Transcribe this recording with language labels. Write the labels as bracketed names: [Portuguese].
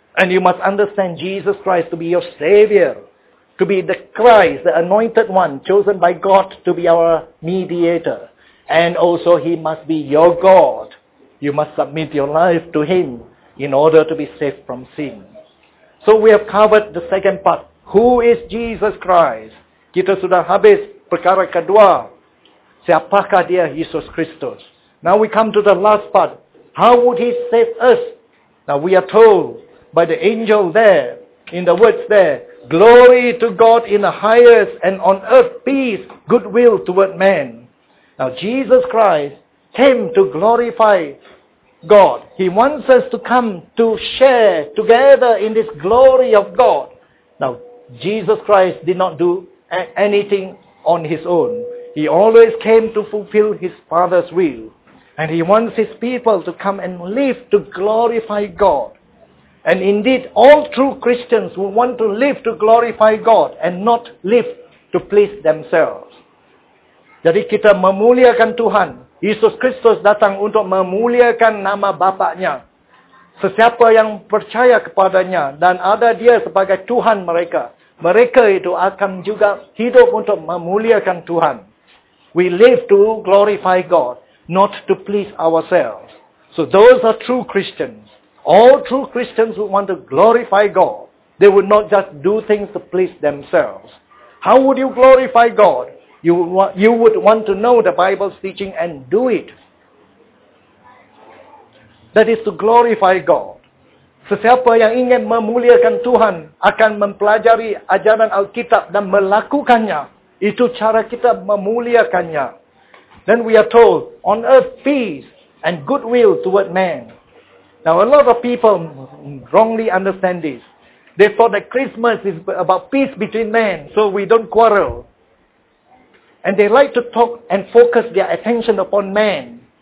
[English] And you must understand Jesus Christ to be your Savior, to be the Christ, the anointed one, chosen by God to be our mediator. And also he must be your God. You must submit your life to him in order to be saved from sin. So we have covered the second part. Who is Jesus Christ? [Malay] Kita sudah habis Perkara kedua, siapakah dia Yesus Kristus? [English] Now we come to the last part. How would he save us? Now we are told by the angel there, in the words there, glory to God in the highest and on earth peace, goodwill toward men. Now Jesus Christ came to glorify God. He wants us to come to share together in this glory of God. Now Jesus Christ did not do anything on his own. He always came to fulfill his Father's will. And he wants his people to come and live to glorify God. And indeed, all true Christians will want to live to glorify God and not live to please themselves. [Malay] Jadi kita memuliakan Tuhan. Yesus Kristus datang untuk memuliakan nama Bapa-Nya. Sesiapa yang percaya kepada-Nya dan ada Dia sebagai Tuhan mereka, mereka itu akan juga hidup untuk memuliakan Tuhan. [English] We live to glorify God, not to please ourselves. So those are true Christians. All true Christians would want to glorify God. They would not just do things to please themselves. How would you glorify God? You would want to know the Bible's teaching and do it. That is to glorify God. [Malay] Sesiapa yang ingin memuliakan Tuhan akan mempelajari ajaran Alkitab dan melakukannya. Itu cara kita memuliakannya. [English] Then we are told, on earth peace and goodwill toward men. Now a lot of people wrongly understand this. They thought that Christmas is about peace between men, so we don't quarrel. And they like to talk and focus their attention upon men.